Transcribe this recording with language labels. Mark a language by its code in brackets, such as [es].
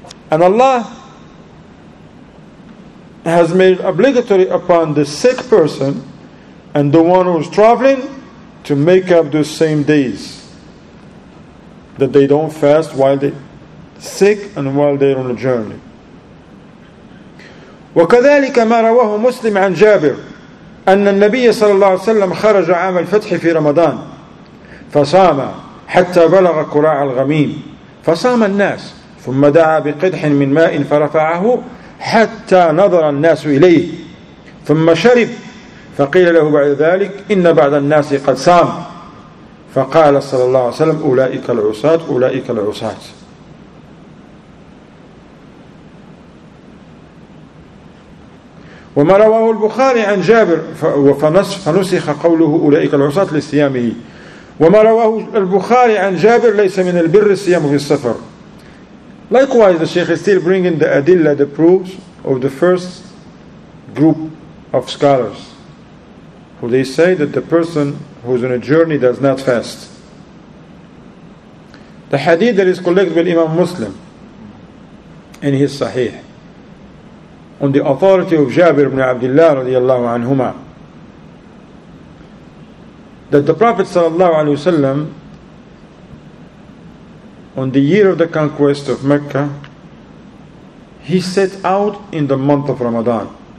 [en] And Allah has made it obligatory upon the sick person and the one who is traveling to make up those same days that they don't fast while they're sick and while they're on a journey. [ar] وكذلك ما رواه مسلم عن جابر أن النبي صلى الله عليه وسلم خرج عام الفتح في رمضان فصام حتى بلغ كراع الغميم فصام الناس ثم دعا بقدح من ماء فرفعه حتى نظر الناس إليه ثم شرب فقيل له بعد ذلك إن بعض الناس قد صام فقال صلى الله عليه وسلم أولئك العصاة أولئك العصاة. وما رواه البخاري عن جابر فنسخ قوله أولئك العصاة لصيامه. وما رواه البخاري عن جابر ليس من البر الصيام في السفر. [en] Likewise, the Shaykh is still bringing the adilla, the proofs of the first group of scholars, who they say that the person who is on a journey does not fast. The hadith that is collected by Imam Muslim in his Sahih, on the authority of Jabir ibn Abdullah radiyallahu anhuma, that the Prophet sallallahu alayhi wa sallam, on the year of the conquest of Mecca, he set out in the month of Ramadan.